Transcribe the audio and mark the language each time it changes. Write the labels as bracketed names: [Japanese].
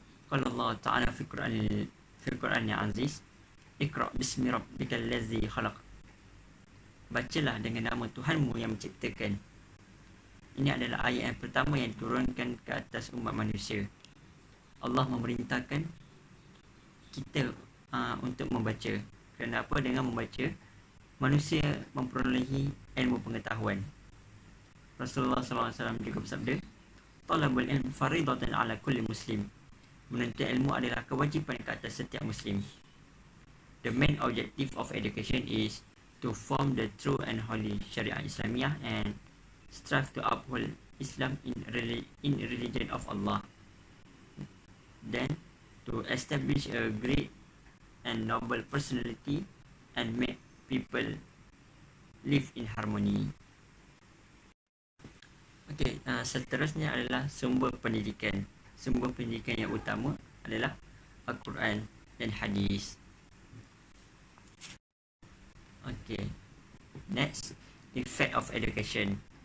[Arabic] قال الله تعالى في القرآن العزيز اقرأ بسم ربك الذي خلق. [Malay] Bacalah dengan nama Tuhanmu yang menciptakan. Ini adalah ayat yang pertama yang diturunkan ke atas umat manusia. Allah memerintahkan kita untuk membaca. Kenapa? Dengan membaca, manusia memperolehi ilmu pengetahuan. Rasulullah SAW juga bersabda, [Arabic] talabul ilm faridatan ala kulli muslim. [Malay] Menuntut ilmu adalah kewajipan ke atas setiap muslim. [English] The main objective of education is to form the true and holy syariah Islamiyah and strive to uphold Islam in religion of Allah. Then, to establish a great and noble personality and make people live in harmony. [Malay] Okay, seterusnya adalah sumber pendidikan. Sumber pendidikan yang utama adalah Al-Quran dan Hadis. [English] Okay, next, effect of education.